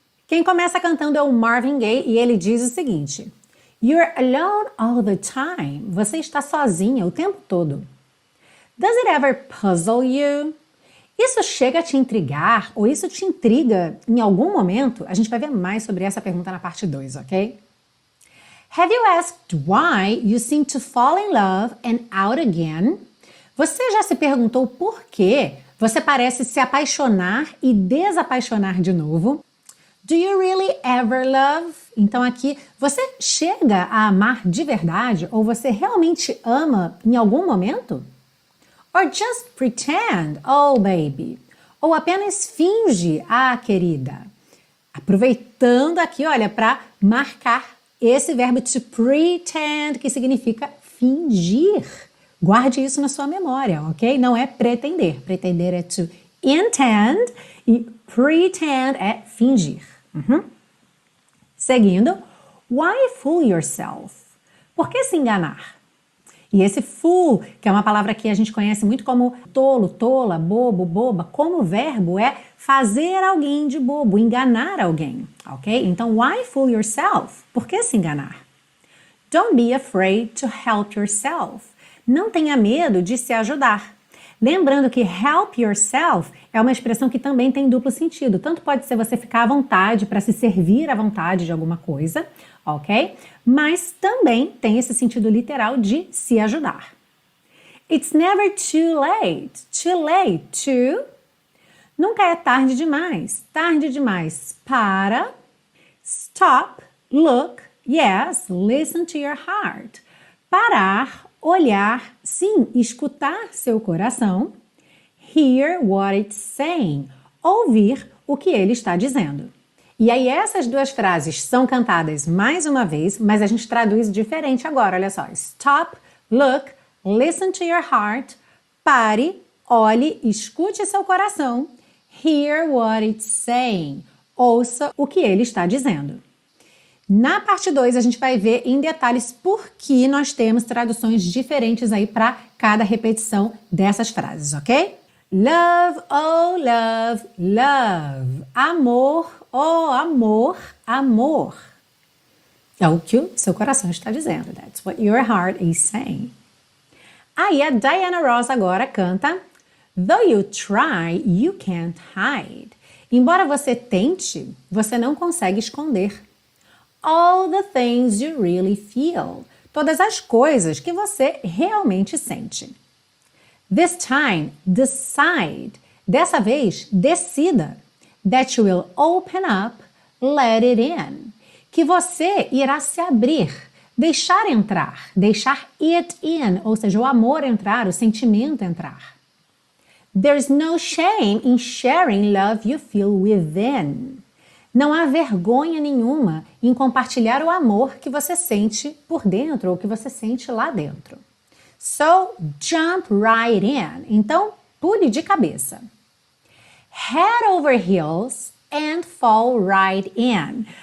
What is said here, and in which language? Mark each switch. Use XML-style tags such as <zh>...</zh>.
<pt>Quem começa cantando é o Marvin Gaye e ele diz o seguinte:</pt> <en>You're alone all the time.</en> <pt>Você está sozinha o tempo todo.</pt> <en>Does it ever puzzle you?</en> <pt>Isso chega a te intrigar ou isso te intriga em algum momento? A gente vai ver mais sobre essa pergunta na parte 2, ok?</pt> <en>Have you asked why you seem to fall in love and out again?</en> <pt>Você já se perguntou por que você parece se apaixonar e desapaixonar de novo?</pt> <en>Do you really ever love?</en> <pt>Então aqui, você chega a amar de verdade ou você realmente ama em algum momento?</pt> <en>Or just pretend, oh baby.</en> <pt>Ou apenas finge, ah, querida. Aproveitando aqui, olha, para marcar esse verbo to pretend, que significa fingir. Guarde isso na sua memória, ok? Não é pretender. Pretender é to intend e pretend é fingir. Seguindo,</pt> <en>why fool yourself?</en> <pt>Por que se enganar? E esse fool, que é uma palavra que a gente conhece muito como tolo, tola, bobo, boba, como verbo é fazer alguém de bobo, enganar alguém, ok? Então,</pt> <en>why fool yourself?</en> <pt>Por que se enganar?</pt> <en>Don't be afraid to help yourself.</en> <pt>Não tenha medo de se ajudar. Lembrando que help yourself é uma expressão que também tem duplo sentido. Tanto pode ser você ficar à vontade para se servir à vontade de alguma coisa, ok? Mas também tem esse sentido literal de se ajudar.</pt> <en>It's never too late. Too late to.</en> <pt>Nunca é tarde demais. Tarde demais para.</pt> <en>Stop, look, yes, listen to your heart.</en> <pt>Parar. Olhar, sim, escutar seu coração.</pt> <en>Hear what it's saying.</en> <pt>Ouvir o que ele está dizendo. E aí, essas duas frases são cantadas mais uma vez, mas a gente traduz diferente agora. Olha só.</pt> <en>Stop, look, listen to your heart.</en> <pt>Pare, olhe, escute seu coração.</pt> <en>Hear what it's saying.</en> <pt>Ouça o que ele está dizendo. Na parte 2, a gente vai ver em detalhes por que nós temos traduções diferentes aí para cada repetição dessas frases, ok?</pt> <en>Love, oh love, love.</en> <pt>Amor, oh amor, amor. É o que o seu coração está dizendo.</pt> <en>That's what your heart is saying.</en> <pt>Aí a Diana Ross agora canta:</pt> <en>Though you try, you can't hide.</en> <pt>Embora você tente, você não consegue esconder.</pt> <en>All the things you really feel.</en> <pt>Todas as coisas que você realmente sente.</pt> <en>This time, decide.</en> <pt>Dessa vez, decida.</pt> <en>That you will open up, let it in.</en> <pt>Que você irá se abrir, deixar entrar, deixar it in, ou seja, o amor entrar, o sentimento entrar.</pt> <en>There's no shame in sharing love you feel within.</en> <pt>Não há vergonha nenhuma em compartilhar o amor que você sente por dentro ou que você sente lá dentro.</pt> <en>So, jump right in.</en> <pt>Então, pule de cabeça.</pt> <en>Head over heels and fall right in.</en>